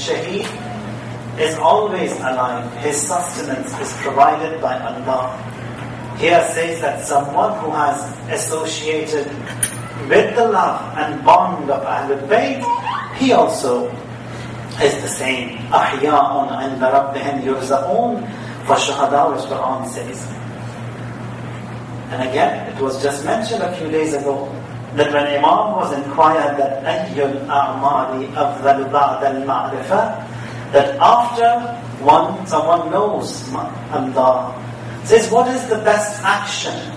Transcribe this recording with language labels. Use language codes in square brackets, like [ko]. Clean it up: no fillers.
[en] Shaheed is always alive. His sustenance is provided by Allah. Here says that someone who has associated with the love and bond of Ahlul Bayt, he also is the same. [ar] أَحْيَاءٌ عِنْدَ رَبِّهِمْ يُرْزَقُونَ, فَالشُّهَدَاءُ, [en] which Quran says. And again, it was just mentioned a few days ago that when Imam was inquired that [ar] أَيُّ الْأَعْمَالِ أَفْضَلُ بَعْدَ الْمَعْرِفَةِ, [en] that after one, someone knows Allah, says, what is the best action?